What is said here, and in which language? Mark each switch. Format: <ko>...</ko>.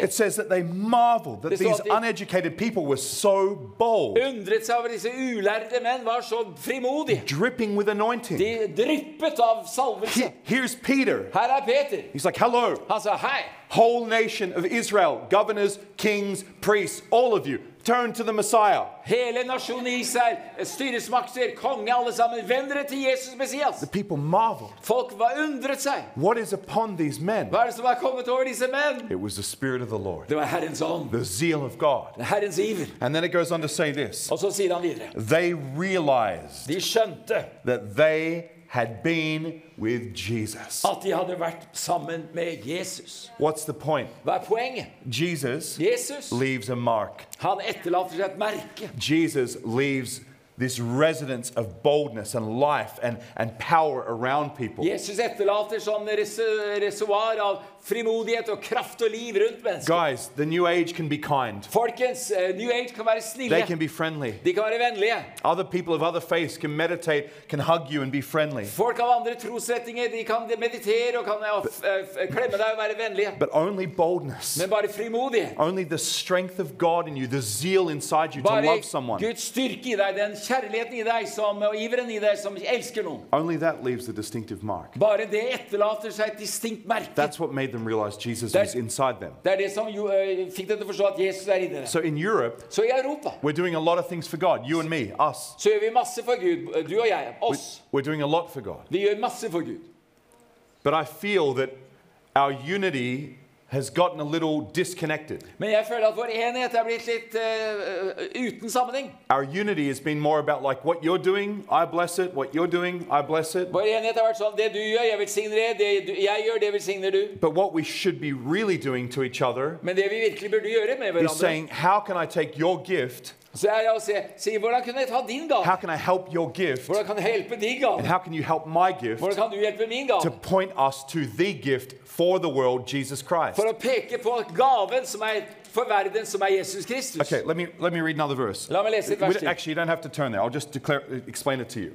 <en>It says that they marveled that these uneducated people were so bold.</en> <no>Undret seg over disse ulærde menn var så frimodige.</no> <en>Dripping with anointing.</en> <no>De dryppet av salvelse.</no> <en>Here's Peter.</en> <no>Her Peter.</no> <en>He's like, hello.</en> <no>Han sa, hi.</no> <en>Whole nation of Israel, governors, kings, priests, all of you, turn to the Messiah.</en> <no>Hele nasjonen Israel, styresmakter, konge, alle sammen, vend dere til Jesus Messias.</no> <en>The people marveled.</en> <no>Folk var undret seg.</no> <en>What is upon these men?</en> <no>Hva som var kommet over disse menn?</no> <en>It was the spirit of the Lord.</en> <no>Det var Herrens ånd.</no> <en>The zeal of God.</en> <no>Herrens iver.</no> <en>And then it goes on to say this.</en> <no>Og så sier han videre.</no> <en>They realized.</en> <no>De skjønte.</no> <en>That they had been with Jesus.</en> <no>At de hadde vært sammen med Jesus.</no> <en>What's the point?</en> <no>Hva poenget?</no> <en>Jesus</en> <no>Jesus</no> <en>leaves a mark.</en> <no>Han etterlater seg et merke.</no> <en>Jesus leaves this resonance of boldness and life and power around people.</en> <no>Jesus efterlater sånn reservoar av frimodighet og kraft og liv rundt mennesker.</no> <en>Guys, the new age can be kind.</en> <no>Folkens, new age kan være snille.</no> <en>They can be friendly.</en> <no>De kan være vennlige.</no> <en>Other people of other faiths can meditate, can hug you and be friendly.</en> <no>Folk av andre trosretninger, de kan meditere og kan klemme deg og være vennlige.</no> <en>But only boldness.</en> <no>Men bare frimodighet.</no> <en>Only the strength of God in you, the zeal inside you</en> <no>bare</no> <en>to love someone.</en> <no>Bare Guds styrke i deg, den kjærligheten i deg som og iveren i deg som elsker noen.</no> <en>Only that leaves a distinctive mark.</en> <no>Bare det etterlater seg et distinkt merke.</no> <en>That's what made them realize Jesus was inside them. That is how you</en> <sv>fick dem att förstå att Jesus är i dem.</sv> <en>So in Europe,</en> <sv>so i Europa,</sv> <en>we're doing a lot of things for God, you and me, us.</en> <sv>Så gör vi massor för Gud, du och jag, oss.</sv> <en>We're doing a lot for God.</en> <sv>Vi gör massor för Gud.</sv> <en>But I feel that our unity has gotten a little disconnected.</en> <sv>Men jag känner att vår enhet har blivit lite utan sammanhang.</sv> <en>Our unity has been more about like what you're doing, I bless it. What you're doing, I bless it.</en> <sv>Vår enhet har varit så det du gör, jag välsignar det. Det jag gör, det välsignar du.</sv> <en>But what we should be really doing to each other.</en> <sv>Men det vi verkligen borde göra med varandra.</sv> <en>Is saying, how can I take your gift?</en> <sv>Så jag säger, hur kan jag ta din gåva?</sv> <en>How can I help your gift?</en> <sv>Hur kan jag hjälpa din gåva?</sv> <en>And how can you help my gift?</en> <sv>Hur kan du hjälpa min gåva?</sv> <en>To point us to the gift for the world, Jesus Christ.</en> <sv>För att peka på gåvan som är för världen som är Jesus Kristus.</sv> <en>Okay, let me read another verse.</en> <sv>Låt mig läsa ett vers.</sv> <en>Actually, you don't have to turn there. I'll just declare, explain it to you.</en>